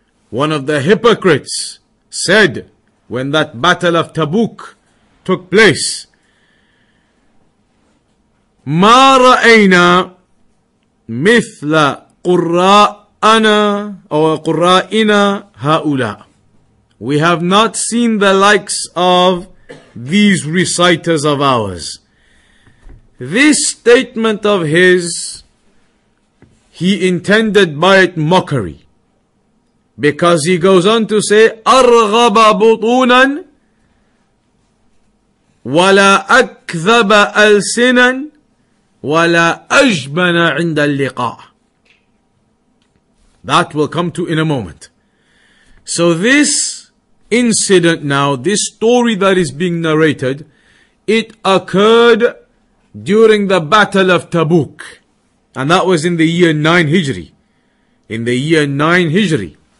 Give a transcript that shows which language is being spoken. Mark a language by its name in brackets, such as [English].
[English] One of the hypocrites said, when that battle of Tabuk took place, [Arabic] مَا رَأَيْنَا مِثْلَ قُرَّاءَنَا أَوَ قُرَّاءِنَا هَؤُلَاء. [English] We have not seen the likes of these reciters of ours. This statement of his, he intended by it mockery. Because he goes on to say, [Arabic] أَرْغَبَ بُطُونًا وَلَا أَكْذَبَ أَلْسِنًا وَلَا أَجْبَنَ عِنْدَ اللِّقَاءِ. [English] That will come to in a moment. So this incident now, this story that is being narrated, it occurred during the battle of Tabuk. And that was in the year 9 Hijri. In the year 9 Hijri.